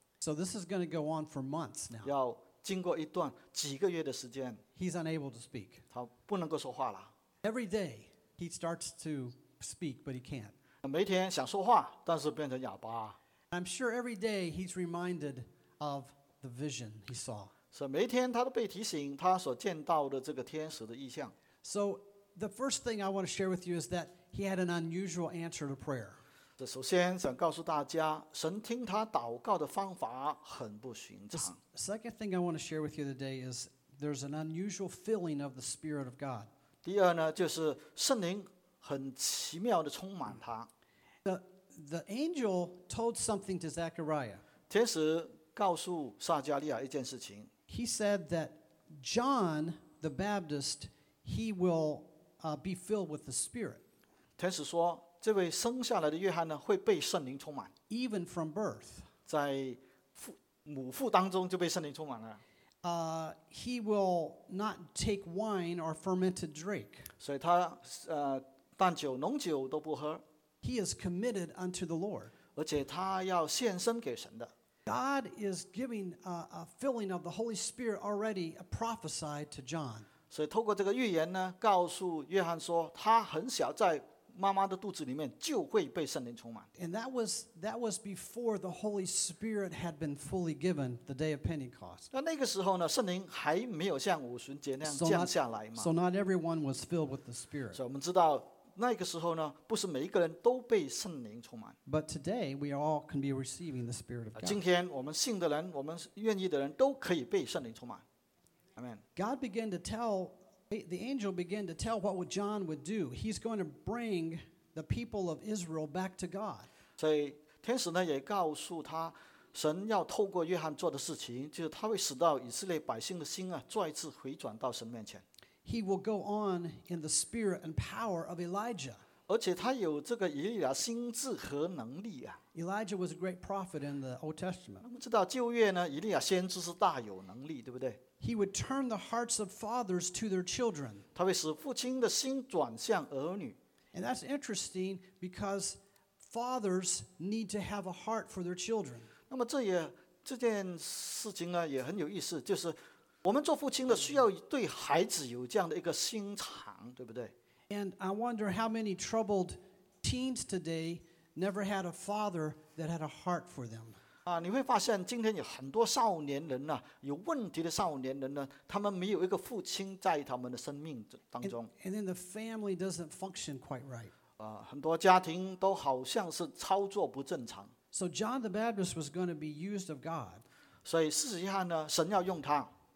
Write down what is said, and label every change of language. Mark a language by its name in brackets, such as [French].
[English] So this is going to go on for months now. [Chinese] 要经过一段几个月的时间。 [English] He's unable to speak. [Chinese] 他不能够说话了。 [English] Every day he starts to speak, but he can't. [Chinese] 每天想说话，但是变成哑巴。 [English] I'm sure every day he's reminded of the vision he saw. [Chinese] 所以每天他都被提醒他所见到的这个天使的异象。 [English] So the first thing I want to share with you is that he had an unusual answer to prayer. [Chinese] 首先想告诉大家，神听他祷告的方法很不寻常。 [English] The second thing I want to share with you today is there's an unusual filling of the Spirit of God. [Chinese] 第二呢，就是圣灵很奇妙地充满他。 [English] The angel told something to Zechariah. [Chinese] 天使告诉撒加利亚一件事情。 [English] He said that John the Baptist, he will be filled with the Spirit. [Chinese] 天使说，这位生下来的约翰呢，会被圣灵充满。 [English] Even from birth. [Chinese] 在母腹当中就被圣灵充满了。 [English] He will not take wine or fermented drink. [Chinese] 所以他淡酒浓酒都不喝。 [English] He is committed unto the Lord. [Chinese] 而且他要献身给神的。 [English] God is giving a filling of the Holy Spirit already prophesied to John. [Chinese] 所以透过这个预言呢，告诉约翰说，他很小，在妈妈的肚子里面就会被圣灵充满。 [English] And that was before the Holy Spirit had been fully given the day of Pentecost. [Chinese] 那个时候呢，圣灵还没有像五旬节那样降下来嘛。 [English] So not everyone was filled with the Spirit. [Chinese] 所以我们知道。那个时候呢，不是每一个人都被圣灵充满。 [English] But today we all can be receiving the Spirit of God. [Chinese] 今天我们信的人，我们愿意的人都可以被圣灵充满。 [English] Amen. God began to tell, the angel began to tell what John would do. He's going to bring the people of Israel back to God. [Chinese] 所以天使呢也告诉他，神要透过约翰做的事情，就是他会使到以色列百姓的心啊，再次回转到神面前。 [English] He will go on in the spirit and power of Elijah. [Chinese] 而且他有这个以利亚心智和能力啊。 [English] Elijah was a great prophet in the Old Testament. [Chinese] 我们知道旧约呢，以利亚先知是大有能力，对不对 [English] ？He would turn the hearts of fathers to their children. [Chinese] 他会使父亲的心转向儿女。 [English] And that's interesting because fathers need to have a heart for their children. [Chinese] 那么这件事情呢，也很有意思，就是。我们做父亲的需要对孩子有这样的一个心肠，对不对 [English] ？And I wonder how many troubled teens today never had a father that had a heart for them. [Chinese] 啊，你会发现今天有很多少年人呐、啊，有问题的少年人呢，他们没有一个父亲在他们的生命当中。 [English] And then the family doesn't function quite right. [Chinese] 啊，很多家庭都好像是操作不正常。 [English] So John the Baptist was going to be used of God. [Chinese] 所以事实上呢，神要用他。